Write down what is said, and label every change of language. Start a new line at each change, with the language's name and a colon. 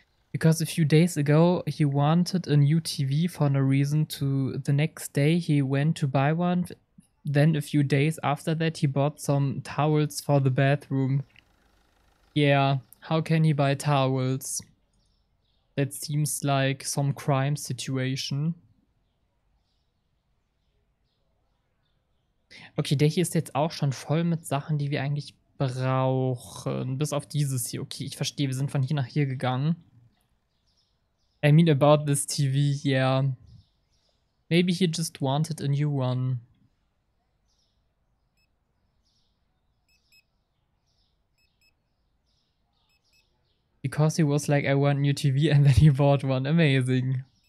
English: Because a few days ago he wanted a new TV for no reason to the next day he went to buy one. Then a few days after that he bought some towels for the bathroom. Yeah, how can he buy towels? That seems like some crime situation.
German: Okay, der hier ist jetzt auch schon voll mit Sachen, die wir eigentlich brauchen. Bis auf dieses hier. Okay, ich verstehe, wir sind von hier nach hier gegangen.
English: I mean about this TV, yeah. Maybe he just wanted a new one. Because he was like, I want new TV and then he bought one. Amazing.